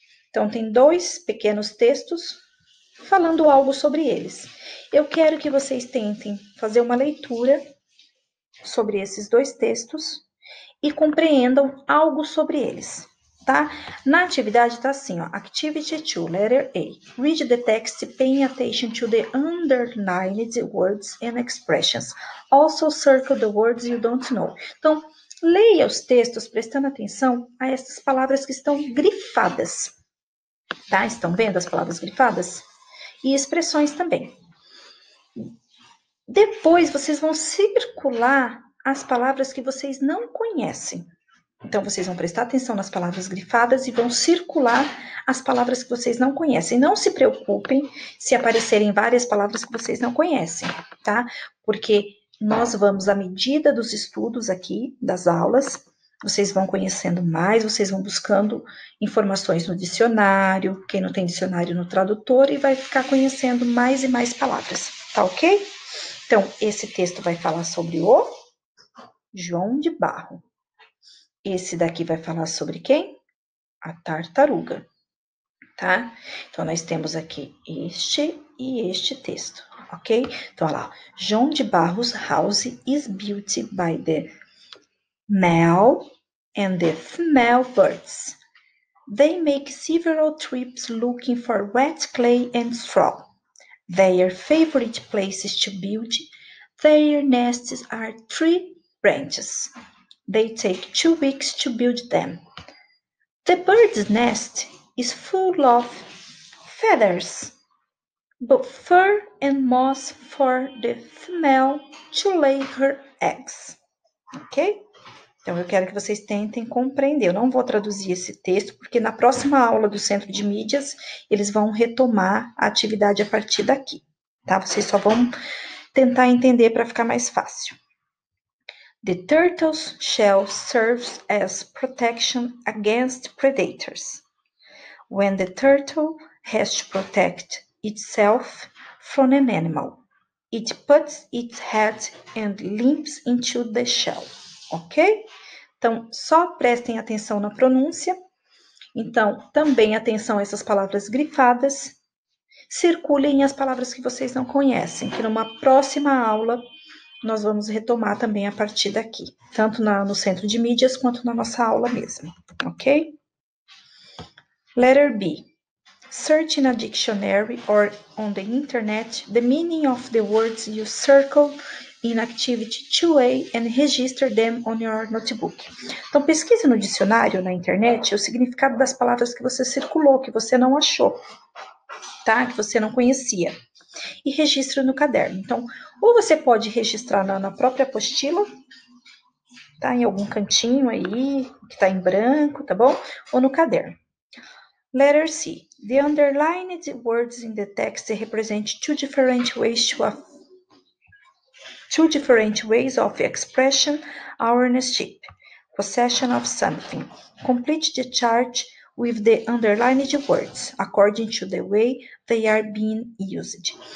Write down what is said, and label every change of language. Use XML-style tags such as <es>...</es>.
<pt>Então, tem dois pequenos textos falando algo sobre eles. Eu quero que vocês tentem fazer uma leitura sobre esses dois textos e compreendam algo sobre eles, tá? Na atividade tá assim, ó.</pt> <en>Activity 2, letter A. Read the text paying attention to the underlined words and expressions. Also circle the words you don't know.</en> <pt>Então, leia os textos prestando atenção a essas palavras que estão grifadas, tá? Estão vendo as palavras grifadas? E expressões também. Depois vocês vão circular as palavras que vocês não conhecem. Então vocês vão prestar atenção nas palavras grifadas e vão circular as palavras que vocês não conhecem. Não se preocupem se aparecerem várias palavras que vocês não conhecem, tá? Porque nós vamos, à medida dos estudos aqui, das aulas, vocês vão conhecendo mais, vocês vão buscando informações no dicionário, quem não tem dicionário no tradutor, e vai ficar conhecendo mais e mais palavras, tá ok? Então, esse texto vai falar sobre o João de Barro. Esse daqui vai falar sobre quem? A tartaruga, tá? Então, nós temos aqui este e este texto, ok? Então, olha lá.</pt> <en>João de Barro's house is built by the male and the female birds. They make several trips looking for wet clay and straw. Their favorite places to build. Their nests are tree branches. They take 2 weeks to build them. The bird's nest is full of feathers, but fur and moss for the female to lay her eggs. Ok?</en> <pt>Então, eu quero que vocês tentem compreender. Eu não vou traduzir esse texto, porque na próxima aula do Centro de Mídias, eles vão retomar a atividade a partir daqui, tá? Vocês só vão tentar entender para ficar mais fácil.</pt> <en>The turtle's shell serves as protection against predators. when the turtle has to protect itself from an animal. It puts its head and limps into the shell.</en> <pt>Ok? Então, só prestem atenção na pronúncia. Então, também atenção a essas palavras grifadas. Circulem as palavras que vocês não conhecem, que numa próxima aula nós vamos retomar também a partir daqui. Tanto no centro de mídias, quanto na nossa aula mesmo.</pt> <en>Ok? Letter B. Search in a dictionary or on the internet the meaning of the words you circle in activity 2A and register them on your notebook.</en> <pt>Então, pesquise no dicionário, na internet, o significado das palavras que você circulou, que você não achou, tá? Que você não conhecia. E registre no caderno. Então, ou você pode registrar na própria apostila, tá? Em algum cantinho aí, que tá em branco, tá bom? Ou no caderno.</pt> <en>Letter C. The underlined words in the text represent two different ways of expression, ownership, possession of something. Complete the chart with the underlined words, according to the way they are being used.</en>